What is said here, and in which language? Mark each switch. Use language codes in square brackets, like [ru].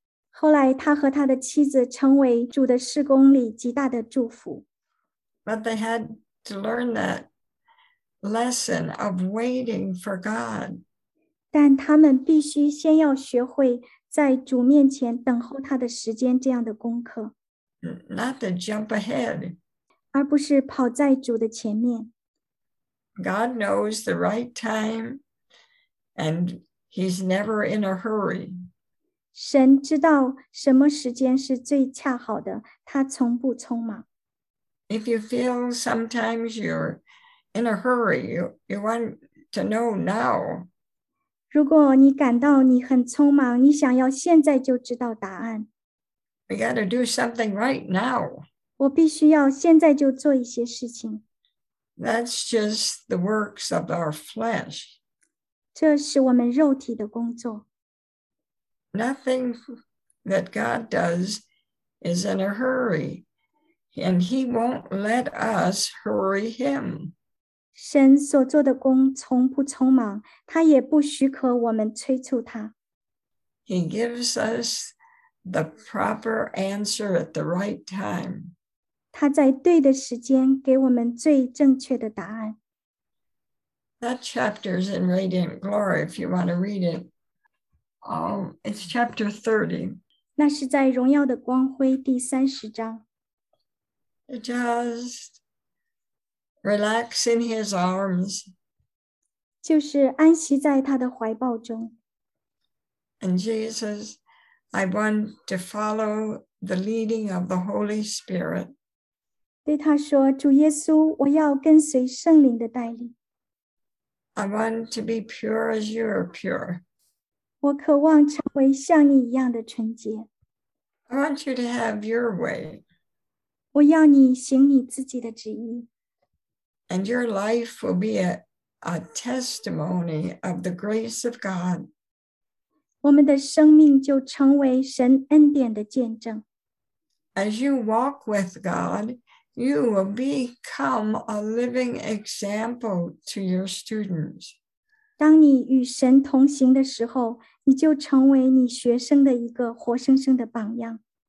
[zh] 后来他和他的妻子成为主的事工里极大的祝福。 [en] But they had to learn that lesson of waiting for God. [zh] 但他们必须先要学会在主面前等候他的时间这样的功课。 [en] Not to jump ahead. [zh] 而不是跑在主的前面。 [en] God knows the right time, and He's never in a hurry. [zh] 神知道什么时间是最恰好的，他从不匆忙。 [en] If you feel sometimes you're in a hurry, you want to know now. [zh] 如果你感到你很匆忙，你想要现在就知道答案。 [en] We got to do something right now. [zh] 我必须要现在就做一些事情。 [en] That's just the works of our flesh. [zh] 这是我们肉体的工作。 [en] Nothing that God does is in a hurry, and He won't let us hurry Him. [zh] 神所做的工从不匆忙，他也不许可我们催促他。 [en] He gives us the proper answer at the right time. [zh] 他在对的时间给我们最正确的答案。 [en] That chapter is in Radiant Glory, if you want to read it. It's chapter 30. [zh] 那是在荣耀的光辉第三十章。 [en] Just relax in His arms. [zh] 就是安息在他的怀抱中。 [en] And Jesus, I want to follow the leading of the Holy Spirit. [zh] 对他说，主耶稣，我要跟随圣灵的带领。 [en] I want to be pure as you are pure. [zh] 我渴望成为像你一样的纯洁。 [en] I want you to have your way. [zh] 我要你行你自己的旨意。 [en] And your life will be a testimony of the grace of God. [zh] 我们的生命就成为神恩典的见证。 [en] As you walk with God, you will become a living example to your students. [zh] 当你与神同行的时候，你就成为你学生的一个活生生的榜样。